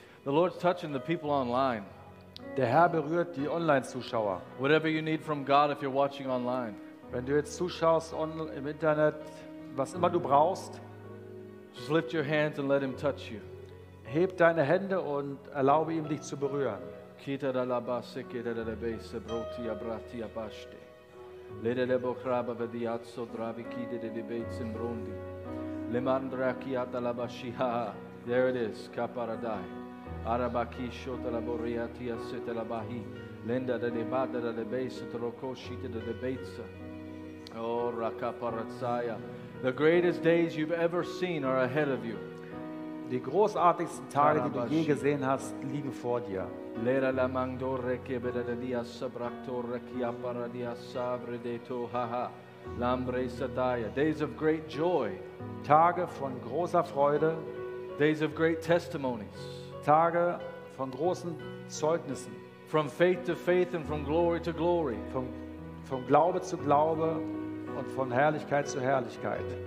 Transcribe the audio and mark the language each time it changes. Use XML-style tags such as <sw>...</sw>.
<en>The Lord's touching the people online.</en> <de>Der Herr berührt die Online-Zuschauer.</de> <en>Whatever you need from God if you're watching online.</en> <de>Wenn du jetzt zuschaust im Internet, was immer du brauchst,</de> <en>just lift your hands and let him touch you.</en> <de>Heb deine Hände und erlaube ihm, dich zu berühren. Kita da la base, kita da la base, broti abrati abaste. Lede le bochraba vediazzo, dravi kide de debates in brondi. Le mandra kiata la bashiha.</de> <en>There it is, kaparadai. Arabaki shota la boriati asete la bahi. Lenda da de bada da de base, troco shite da de beitsa. Oh, Rakaparazaya. The greatest days you've ever seen are ahead of you.</en> <de>Die großartigsten Tage, die du je gesehen hast, liegen vor dir. Lera la mandore kebeda de diasabraktore kiaparadia sabre de tohaha. Lambre sataya.</de> <en>Days of great joy.</en> <de>Tage von großer Freude.</de> <en>Days of great testimonies.</en> <de>Tage von großen Zeugnissen.</de> <en>From faith to faith and from glory to glory.</en> <de>Vom Glaube zu Glaube und von Herrlichkeit zu Herrlichkeit.</de>